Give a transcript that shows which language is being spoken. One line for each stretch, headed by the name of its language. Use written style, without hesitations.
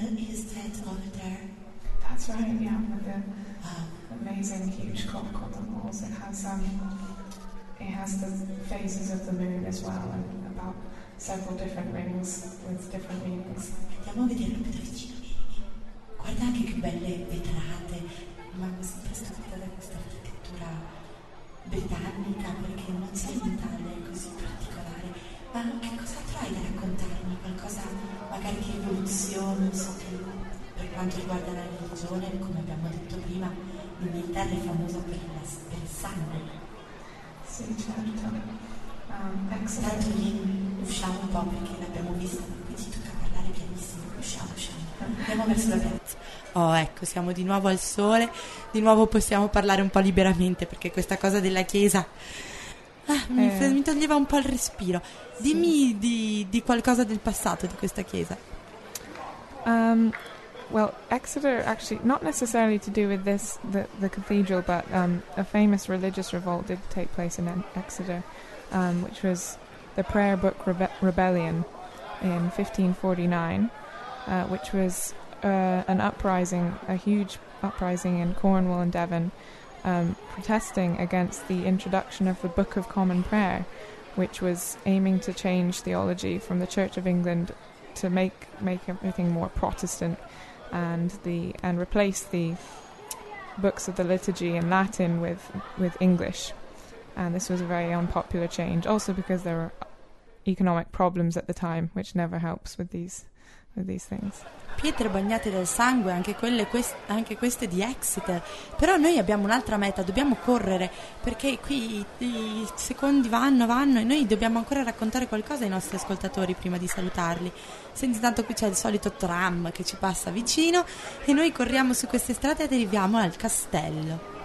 English: Is that over there? That's right, yeah, with the amazing huge clock on the walls. It has the phases of the moon as well, and about several different rings with different meanings.
Italian: Andiamo a vedere più da vicino. Guarda anche che belle vetrate, ma mi sono stupita da questa architettura britannica, perché non c'è in Italia così particolare. Ma che cosa trovi da raccontarmi? Qualcosa magari che evoluzione, non so, che per quanto riguarda la religione, come abbiamo detto prima, l'Inghilterra è famosa per il sangue. Sì, certo. Tanto lì usciamo un po' perché l'abbiamo vista, ma qui ci tocca parlare pianissimo. Usciamo. Andiamo verso la piazza. Oh, ecco, siamo di nuovo al sole, di nuovo possiamo parlare un po' liberamente perché questa cosa della chiesa Mi toglieva un po' il respiro. Dimmi di qualcosa del passato di questa chiesa.
English: Well, Exeter, actually, not necessarily to do with this, the cathedral, but a famous religious revolt did take place in Exeter, which was the Prayer Book Rebellion in 1549, which was an uprising, a huge uprising in Cornwall and Devon, protesting against the introduction of the Book of Common Prayer, which was aiming to change theology from the Church of England to make everything more Protestant, and replace the books of the liturgy in Latin with English. And this was a very unpopular change, also because there were economic problems at the time, which never helps with these things.
Italian: Pietre bagnate dal sangue, anche queste di Exeter. Però noi abbiamo un'altra meta, dobbiamo correre, perché qui i secondi vanno e noi dobbiamo ancora raccontare qualcosa ai nostri ascoltatori prima di salutarli. Senti, tanto qui c'è il solito tram che ci passa vicino e noi corriamo su queste strade e arriviamo al castello.